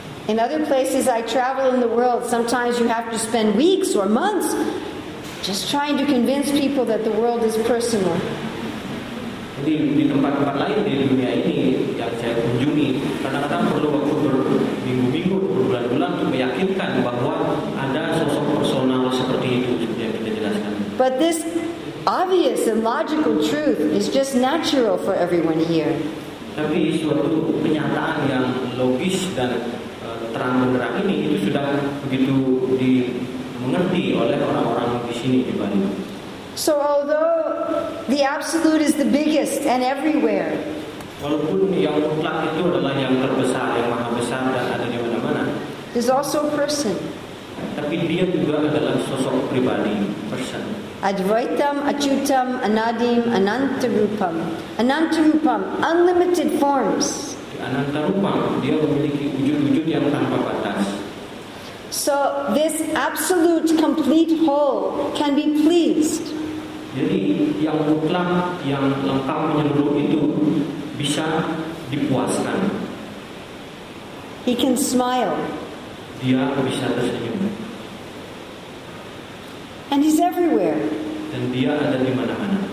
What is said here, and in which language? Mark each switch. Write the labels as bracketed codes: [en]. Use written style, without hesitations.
[en] In other places I travel in the world, sometimes you have to spend weeks or months just trying to convince people that the world is personal. [id] Jadi di tempat-tempat lain di dunia ini yang saya kunjungi, kadang-kadang perlu waktu berminggu-minggu, berbulan-bulan untuk meyakinkan bahwa ada sosok personal seperti itu yang kita jelaskan. [en] But this obvious and logical truth is just natural for everyone here. [id] Tapi suatu kenyataan yang logis dan terang benderang ini itu sudah begitu dimengerti oleh orang-orang di sini di Bali. [en] So although the absolute is the biggest and everywhere. [id] Walaupun yang mutlak itu adalah yang terbesar, yang maha besar dan ada di mana-mana. [en] Is also a person. [id] Tapi dia juga adalah sosok pribadi, person. [sa] Advaitam, Achyutam, Anadim, Anantarupam. [en] Anantarupam, unlimited forms. [id] Anantarupam, dia memiliki wujud-wujud yang tanpa batas. [en] So this absolute complete whole can be pleased. [id] Jadi yang mutlak, yang lengkap menyeluruh itu bisa dipuaskan. [en] He can smile. [id] Dia bisa tersenyum. [en] And he's everywhere. [id] Dan dia ada di mana-mana.